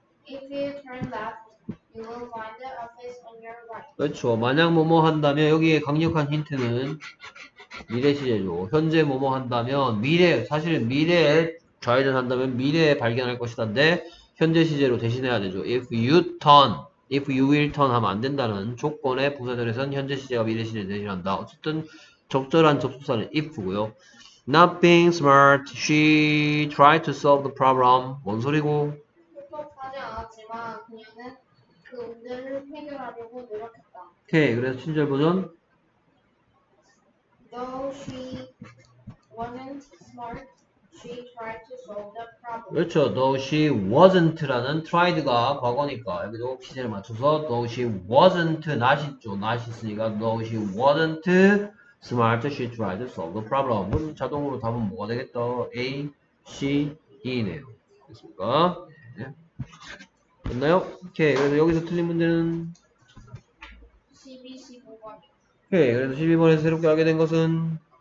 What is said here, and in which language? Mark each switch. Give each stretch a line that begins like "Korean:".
English: If you turn left, you will find the office on your right.
Korean: 그렇죠. 만약 뭐뭐 한다면 여기에 강력한 힌트는 미래 시제죠. 현재 뭐뭐 한다면 미래, 사실 미래에 좌회전한다면 미래에 발견할 것이다인데 현재 시제로 대신해야 되죠.
English: If you turn, if you will turn
Korean: 하면 안 된다는 조건의 부사절에선 현재 시제가 미래 시제를 대신한다. 어쨌든 적절한 접속사는 if고요.
English: Not being smart, she tried to solve the problem.
Korean: 뭔 소리고? 하지 않았지만 그녀는 그 문제를 해결하려고 노력했다. 오케이, 그래서 친절 버전.
English: Though she wasn't smart, she tried to solve the problem.
Korean: 그렇죠.
English: Though she wasn't
Korean: 라는 tried가 과거니까 여기도 시제를 맞춰서 Though she wasn't, not 있죠.
English: Not
Korean: 있으니까
English: Though she wasn't smart, she tried to solve the problem.
Korean: 그럼 자동으로 답은 뭐가 되겠다? A, C, E네요. 됐습니까? 됐나요? 오케이. 그래서 여기서 틀린 문제는 12, 15번. 오케이. 그래서 12번에서 새롭게 알게 된 것은